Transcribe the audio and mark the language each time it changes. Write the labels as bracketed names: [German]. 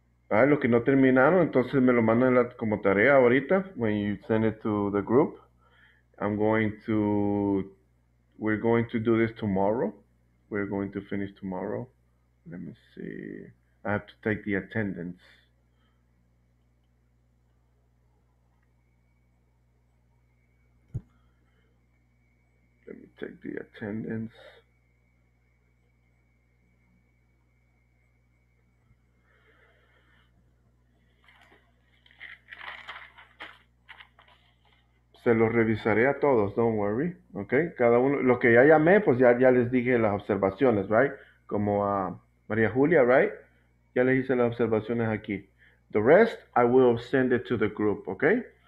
[Spanish] Right, lo que no terminaron, entonces me lo mandan como tarea ahorita. [English] When you send it to the group, we're going to do this tomorrow. We're going to finish tomorrow. Let me see. I have to take the attendance. Let me take the attendance. [Spanish] Se los revisaré a todos, [English] don't worry. [Spanish] Okay, cada uno, lo que ya llamé, pues ya les dije las observaciones, right? Como a María Julia, right? Ya les hice las observaciones aquí. [English] The rest, I will send it to the group, okay?